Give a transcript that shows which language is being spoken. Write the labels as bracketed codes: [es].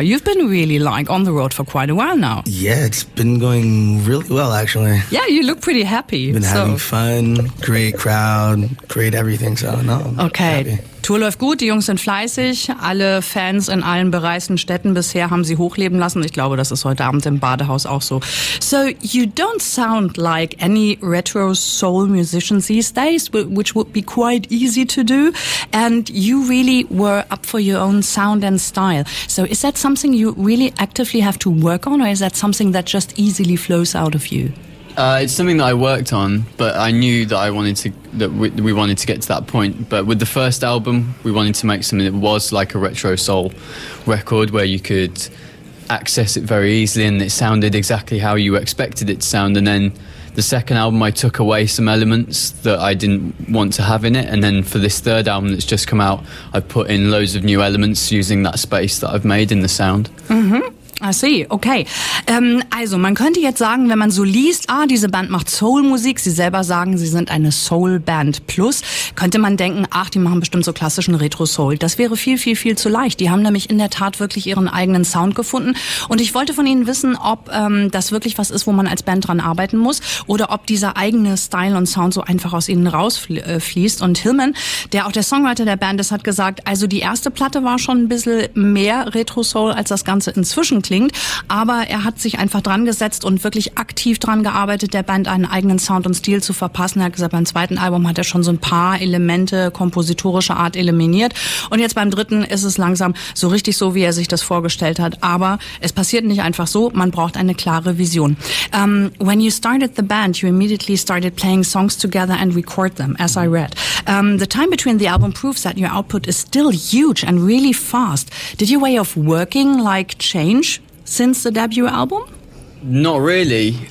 [en] You've been really like on the road for quite a while now. Yeah, it's been going really well actually. Yeah, you look pretty happy. Been having fun, great crowd, great everything, so no. Okay. Happy. [de] Tour läuft gut, die Jungs sind fleißig, alle Fans in allen bereisten Städten bisher haben sie hochleben lassen. Ich glaube, das ist heute Abend im Badehaus auch so. [en] So, you don't sound like any retro soul musicians these days, which would be quite easy to do. And you really were up for your own sound and style. So, is that something you really actively have to work on, or is that something that just easily flows out of you? It's something that I worked on, but I knew that we wanted to get to that point. But with the first album, we wanted to make something that was like a retro soul record where you could access it very easily and it sounded exactly how you expected it to sound. And then the second album, I took away some elements that I didn't want to have in it. And then for this third album that's just come out, I've put in loads of new elements using that space that I've made in the sound. Mm-hmm. I see, okay. [de] Also man könnte jetzt sagen, wenn man so liest, diese Band macht Soul-Musik, sie selber sagen, sie sind eine Soul-Band plus, könnte man denken, die machen bestimmt so klassischen Retro-Soul. Das wäre viel, viel, viel zu leicht. Die haben nämlich in der Tat wirklich ihren eigenen Sound gefunden. Und ich wollte von Ihnen wissen, ob das wirklich was ist, wo man als Band dran arbeiten muss oder ob dieser eigene Style und Sound so einfach aus Ihnen rausfließt. Und Hillman, der auch der Songwriter der Band ist, hat gesagt, also die erste Platte war schon ein bisschen mehr Retro-Soul als das Ganze inzwischen klingt, aber er hat sich einfach dran gesetzt und wirklich aktiv dran gearbeitet, der Band einen eigenen Sound und Stil zu verpassen. Er hat gesagt, beim zweiten Album hat er schon so ein paar Elemente kompositorischer Art eliminiert und jetzt beim dritten ist es langsam so richtig so, wie er sich das vorgestellt hat, aber es passiert nicht einfach so, man braucht eine klare Vision. [en] When you started the band, you immediately started playing songs together and record them, as I read. The time between the album proves that your output is still huge and really fast. Did your way of working like change since the debut album? Not really.